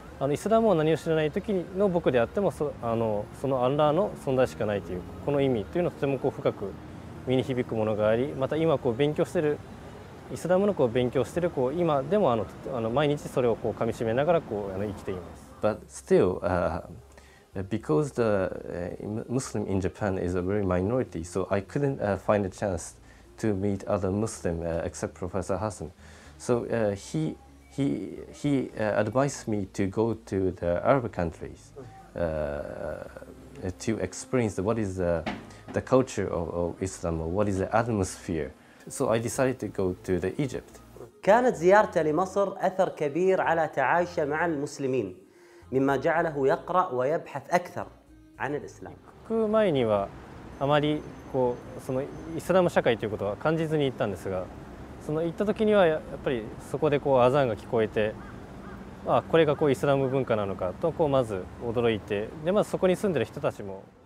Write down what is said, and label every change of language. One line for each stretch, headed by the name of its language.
Japanese: あのイスラムを何を知らない時の僕であっても そのアンラーの存在しかないというこの意味というのはとてもこう深く身に響くものがあり、また今こう勉強しているイスラムのこう勉強しているこう今でもあの毎日それをこう噛みしめながらこうあの生きています。
English: But still、because the Muslim in Japan is a very minority, so I couldn't、find a chance to meet other Muslim、except Professor Hassan. So he advised me to go to the Arab countries to experience what is the culture of Islam or what is the atmosphere. So I decided to go to the Egypt.
Arabic: كانت زيارته لمصر أثر كبير على تعايشه مع المسلمين، مما جعله يقرأ ويبحث أكثر عن الإسلام.
Japanese: 行く前にはあまりこうそのイスラム社会ということは感じずに行ったんですが。その行った時にはやっぱりそこでこうアザンが聞こえて、まあ、これがこうイスラム文化なのかとこうまず驚いて、でまずそこに住んでる人たちも